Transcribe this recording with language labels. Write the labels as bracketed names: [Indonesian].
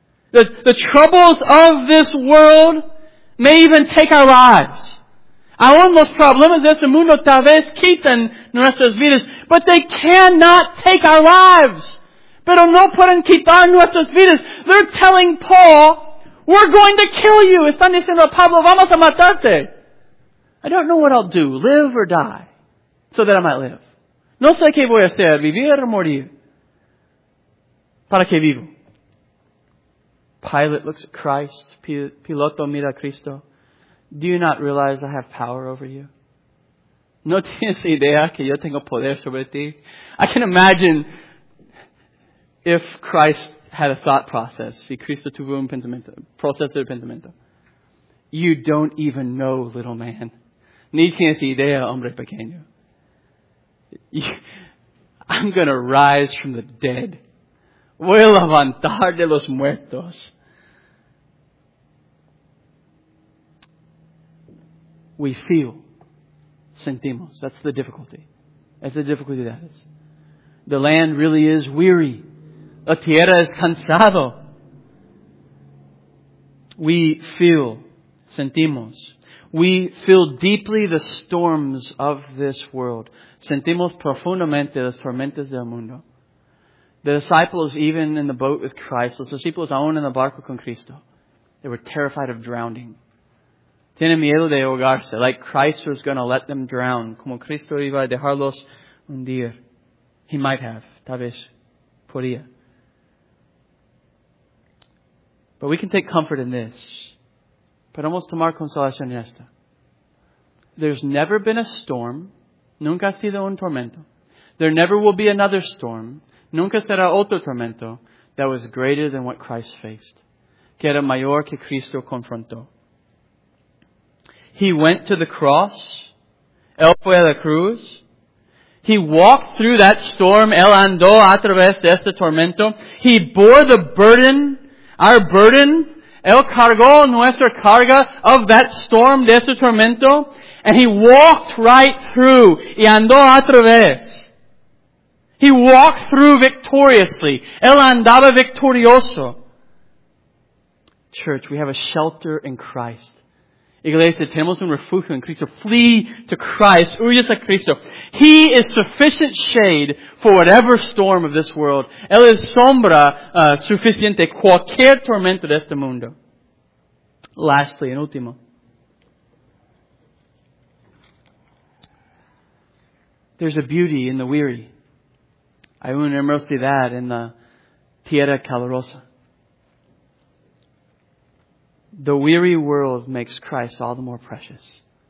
[English] The troubles of this world may even take our lives. [Spanish] Aún los problemas de este mundo tal vez quiten nuestras vidas. [English] But they cannot take our lives. [Spanish] Pero no pueden quitar nuestras vidas. [English] They're telling Paul, we're going to kill you. [Spanish] Están diciendo a Pablo, vamos a matarte. [English] I don't know what I'll do, live or die, so that I might live. [Spanish] No sé qué voy a hacer, vivir o morir. Para que vivo. [English] Pilate looks at Christ. [Spanish] Piloto mira a Cristo. [English] Do you not realize I have power over you? [Spanish] No tienes idea que yo tengo poder sobre ti? [English] I can imagine if Christ had a thought process. [Spanish] Si Cristo tuvo un pensamiento, proceso de pensamiento. [English] You don't even know, little man. [Spanish] Ni tienes idea, hombre pequeño. [English] I'm going to rise from the dead. [Spanish] Voy a levantar de los muertos. [English] We feel. [Spanish] Sentimos. [English] That's the difficulty. That's the difficulty that is. The land really is weary. [Spanish] La tierra es cansado. [English] We feel. [Spanish] Sentimos. [English] We feel deeply the storms of this world. [Spanish] Sentimos profundamente las tormentas del mundo. [English] The disciples, even in the boat with Christ, [Spanish] los discípulos aún en el barco con Cristo, [English] they were terrified of drowning. [Spanish] Tienen miedo de ahogarse, [English] like Christ was going to let them drown. [Spanish] Como Cristo iba a dejarlos hundir. [English] He might have. [Spanish] Tal vez podía. [English] But we can take comfort in this. [Spanish] Podemos tomar consolación en esta. [English] There's never been a storm. [Spanish] Nunca ha sido un tormento. [English] There never will be another storm. [Spanish] Nunca será otro tormento [English] that was greater than what Christ faced. [Spanish] Que era mayor que Cristo confrontó. [English] He went to the cross. [Spanish] Él fue a la cruz. [English] He walked through that storm. [Spanish] Él andó a través de este tormento. [English] He bore the burden, our burden. [Spanish] Él cargó nuestra carga [English] of that storm, [Spanish] de este tormento. [English] And He walked right through. [Spanish] Y andó a través. [English] He walked through victoriously. [Spanish] Él andaba victorioso. [English] Church, we have a shelter in Christ. [Spanish] Iglesia, tenemos un refugio en Cristo. [English] Flee to Christ. [Spanish] Huyes a Cristo. [English] He is sufficient shade for whatever storm of this world. [Spanish] Él es sombra suficiente cualquier tormento de este mundo. [English] Lastly, [Spanish] en último. [English] there's a beauty in the weary. I want to mostly that in the Tierra Calurosa. The weary world makes Christ all the more precious.